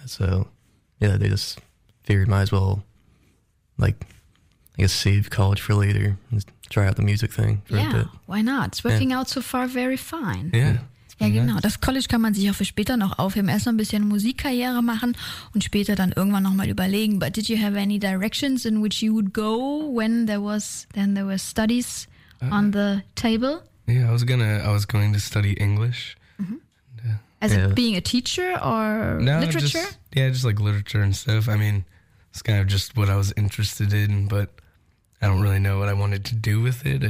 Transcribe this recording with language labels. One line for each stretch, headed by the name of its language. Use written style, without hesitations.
English: So yeah, they just figured might as well, like, I guess save college for later and try out the music thing for a bit. Why not? It's working out so far very fine. Yeah.
German: Ja, genau. Das College kann man sich auch für später noch aufheben. Erst mal ein bisschen Musikkarriere machen und später dann irgendwann nochmal überlegen.
English: But did you have any directions in which you would go when there were studies on the table? Yeah, I was going to study English. Mm-hmm. As being a teacher or literature? Just like literature and stuff. I mean, it's kind of just what I was interested in, but I don't really know what I wanted to do with it.